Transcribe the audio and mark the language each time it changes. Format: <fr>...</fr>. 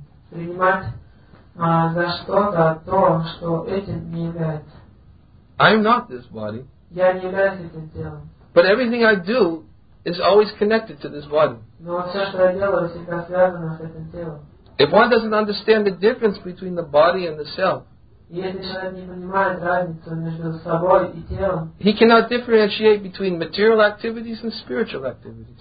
<ru>Принимать за что-то то, что этим не является.</ru> <en>I am not this body.</en> <ru>Я не являюсь этим телом.</ru> <en>But everything I do is always connected to this body.</en> <ru>Но все, что я делаю, всегда связано с этим телом.</ru> <en>If one doesn't understand the difference between the body and the self, he cannot differentiate between material activities and spiritual activities.</en>